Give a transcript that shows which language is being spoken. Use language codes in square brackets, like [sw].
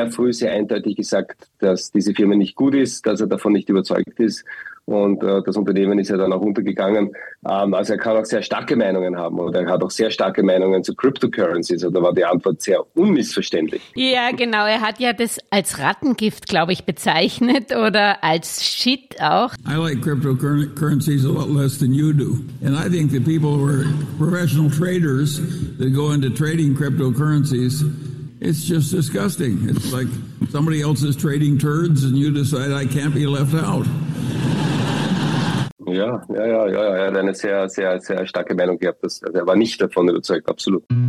[de] sehr früh sehr eindeutig gesagt, dass diese Firma nicht gut ist, dass er davon nicht überzeugt ist. Und das Unternehmen ist ja dann auch untergegangen. Also er kann auch sehr starke Meinungen haben oder er hat auch sehr starke Meinungen zu Cryptocurrencies. Da war die Antwort sehr unmissverständlich. Ja, genau. Er hat ja das als Rattengift, glaube ich, bezeichnet oder als Shit auch. [en] I like cryptocurrencies a lot less than you do. And I think the people who are professional traders that go into trading cryptocurrencies, it's just disgusting. It's like somebody else is trading turds and you decide I can't be left out. [de] Ja, er hat eine sehr, sehr, sehr starke Meinung gehabt. Er war nicht davon überzeugt, absolut.